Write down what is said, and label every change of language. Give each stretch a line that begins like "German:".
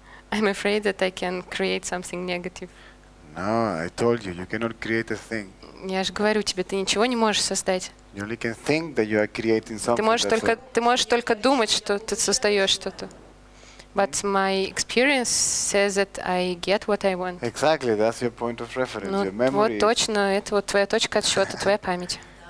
English: I'm afraid that I can create something negative. No, I told you, you cannot create a thing.
Russian: Я же говорю тебе, ты ничего не можешь создать.
English: You only can think that you are creating something.
Russian: Ты можешь только думать, что ты создаешь что-то.
English: But my experience says that I get what I want. Exactly, that's your point of reference,
Russian: ну,
English: your memory.
Russian: Вот точно, это вот твоя точка отсчета, твоя память.